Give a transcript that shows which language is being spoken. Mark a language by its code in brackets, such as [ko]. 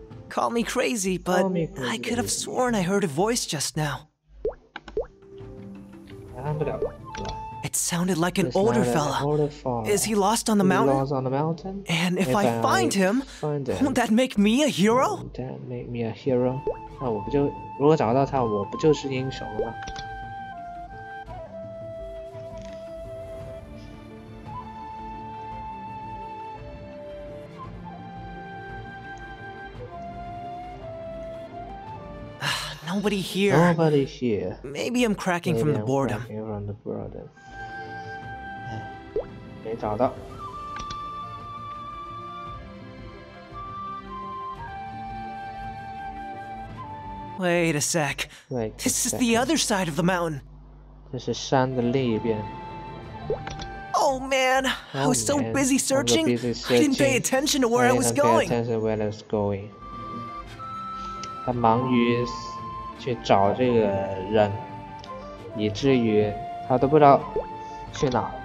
[en] Call me crazy, but I could have sworn I heard a voice just now. [zh] 安不了了。 [en] It sounded like an older fella. Is he lost on the mountain? Lost on the mountain? And if I find him, won't that make me a hero? That make me a hero? [zh] 那我不就如果找到他，我不就是英雄了吗？ [en] Nobody here. Nobody here. Maybe I'm cracking from the boredom. Cracking from the boredom. [zh] 没找到。 [en] Wait a sec. This is the other side of the mountain. [zh] 这是山的另一边。 [en] Oh man, I was so busy searching. I didn't pay attention to where I was going. Pay attention where I was going. [zh] 他忙于。去找这个人，以至于他都不知道去哪。